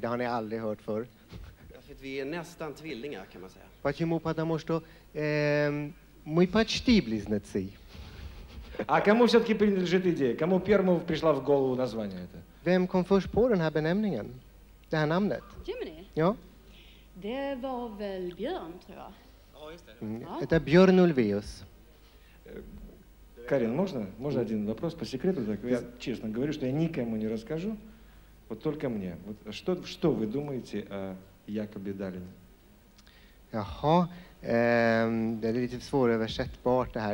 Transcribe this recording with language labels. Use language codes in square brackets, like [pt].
[sv] Det har ni aldrig hört förr. För att vi är nästan tvillingar kan man säga. [ru] Почему? Потому что мы почти близнецы. А кому все-таки принадлежит идея? Кому первому пришла в голову название это? [sv] Vem kom först på den här benämningen? Det här namnet? Gemini? Ja. Det var väl Björn, tror jag. Mm. [ru] Это Björn Ulvaeus. Карен, можно один вопрос по секрету? Так, я честно говорю, что я никому не расскажу, вот только мне. Вот что вы думаете о Якобе Даллине? [sv] Jaha, det är lite svåröversättbart det här.